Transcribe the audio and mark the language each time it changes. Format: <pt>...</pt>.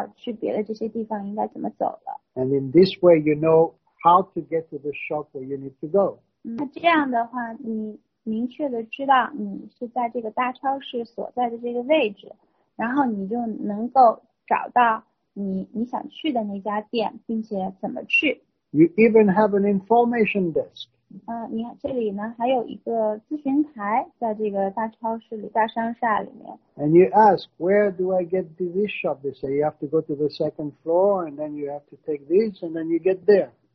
<zh>就比如说你去超市的时候，它也有一个对于整个大超市的一个导购图。那上面呢，就告诉你，每一家店都是干什么的，然后呢，它会告诉你所在的这个地方是哪里，那你就知道去别的这些地方应该怎么走了。</zh> <en>And in this way, you know how to get to the shop where you need to go.</en> <zh>那这样的话，你明确的知道你是在这个大超市所在的这个位置，然后你就能够找到你想去的那家店，并且怎么去。You</zh> <en>even have an information desk.</en> <zh>你这里呢还有一个咨询台，在这个大超市里、大商厦里面。</zh> <en>And you ask, where do I get to this shop? They say, you have to go to the second floor, and then you have to take this, and then you get there.</en>